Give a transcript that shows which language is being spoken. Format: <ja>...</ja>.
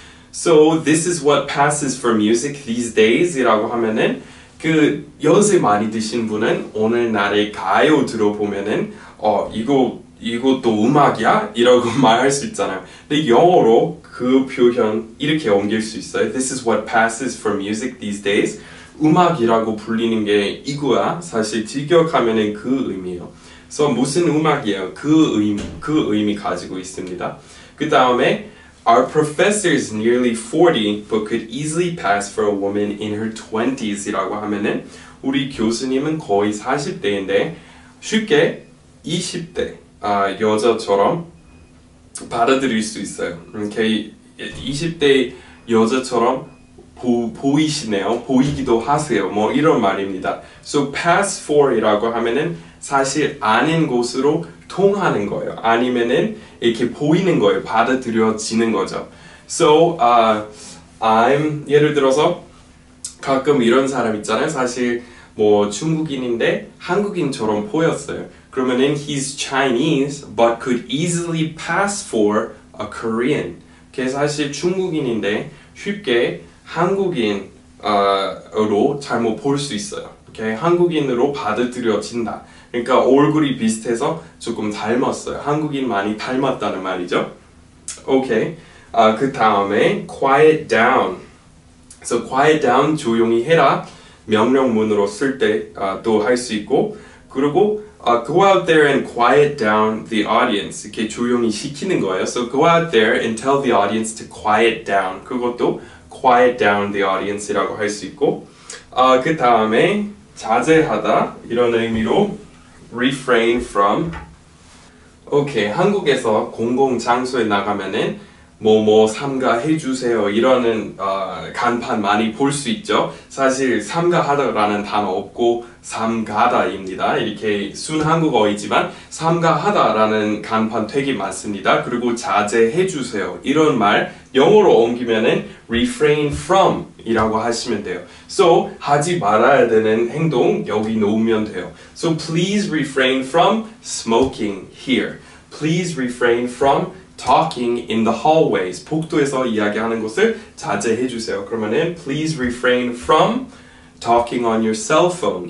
<en>So this is what passes for music these days</en> <ko>이라고 하면은 그 연세 많이 드신 분은 오늘날의 가요 들어보면은 이것도 음악이야? 이라고 말할 수 있잖아요. 근데 영어로 그 표현 이렇게 옮길 수 있어요.</ko> <en>This is what passes for music these days.</en> <ko>음악이라고 불리는 게 이거야. 사실 직역하면은 그 의미예요. So 무슨 음악이에요? 그 의미 가지고 있습니다. 그 다음에</ko> <en>Our professor is nearly 40, but could easily pass for a woman in her 20s</en> <ko>이라고 하면은 우리 교수님은 거의 40대인데 쉽게 20대 여자처럼 받아들일 수 있어요. 이렇게 20대 여자처럼 보이시네요. 보이기도 하세요. 뭐 이런 말입니다. So pass for이라고 하면은 사실 아닌 곳으로 통하는 거예요. 아니면은 이렇게 보이는 거예요. 받아들여지는 거죠.</ko> <en>So, I'm</en> <ko>예를 들어서 가끔 이런 사람 있잖아요. 사실 뭐 중국인인데 한국인처럼 보였어요. 그러면은</ko> <en>he's Chinese but could easily pass for a Korean.</en> <ko>걔 사실 중국인인데 쉽게 한국인 으로 잘못 볼수 있어요. 걔 한국인으로 받아들여진다. 그러니까 얼굴이 비슷해서 조금 닮았어요. 한국인 많이 닮았다는 말이죠. 오케이. 그 다음에 quiet down. So quiet down 조용히 해라. 명령문으로 쓸때또할수 있고. 그리고</ko> <en>go out there and quiet down the audience.</en> <ko>이렇게 조용히 시키는 거예요.</ko> <en>So go out there and tell the audience to quiet down.</en> <ko>그것도 quiet down the audience이라고 할수 있고. 그 다음에 자제하다 이런 의미로 refrain from. 오케이. 한국에서 공공장소에 나가면은, 뭐뭐 삼가해주세요. 이러는, 간판 많이 볼수 있죠. 사실, 삼가하다라는 단어 없고, 삼가다입니다. 이렇게 순한국어이지만, 삼가하다라는 간판 되게 많습니다. 그리고 자제해주세요. 이런 말, 영어로 옮기면은, refrain from이라고 하시면 돼요. So, 하지 말아야 되는 행동, 여기 놓으면 돼요.</ko> <en>So, please refrain from smoking here. Please refrain from talking in the hallways.</en> <ko>복도에서 이야기하는 것을 자제해주세요. 그러면은,</ko> <en>please refrain from talking on your cell phone.</en>